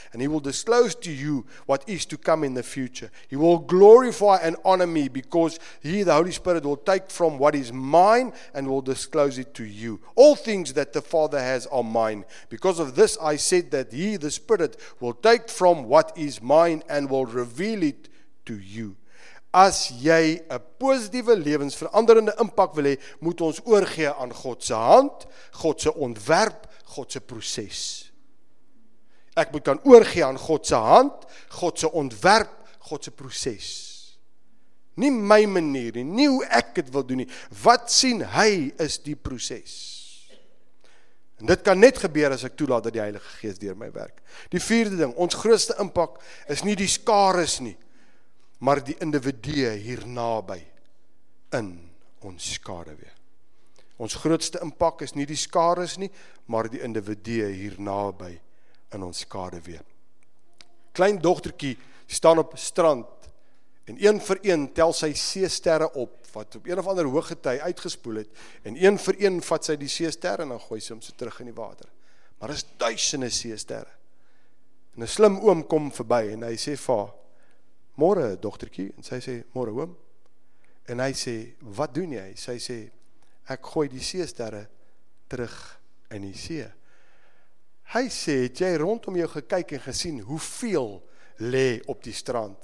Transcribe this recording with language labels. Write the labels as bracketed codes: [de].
[en] And he will disclose to you what is to come in the future. He will glorify and honor me because he, the Holy Spirit, will take from what is mine and will disclose it to you. All things that the Father has are mine. Because of this, I said that he, the Spirit, will take from what is mine and will reveal it to you. [af] As jy 'n positiewe lewensveranderende impak wil hê, moet ons oorgee aan God se hand, God se ontwerp, God se proses. Ek moet kan oorgee aan God se hand, God se ontwerp, God se proses. Nie my manier nie, nie hoe ek dit wil doen nie. Wat sien hy is die proses. En dit kan net gebeur as ek toelaat dat die Heilige Gees deur my werk. Die vierde ding, ons grootste impak is nie die skares nie. Maar die individue hier naby in ons skaduwee. Ons grootste impak is nie die skares nie, maar die individue hier naby in ons skaduwee. Klein dogtertjie staan op strand en een vir een tel sy seesterre op wat op een of ander hooggety uitgespoel het en een vir een vat sy die seesterre en dan gooi sy hom so terug in die water. Maar is duisende seesterre. En 'n slim oom kom verby en hy sê vir haar, môre dogtertjie, en sy sê, môre oom. En hy sê, wat doen jy? Sy sê, ek gooi die seesterre terug in die see. Hy sê, het jy rondom jou gekyk en gesien hoeveel lê op die strand?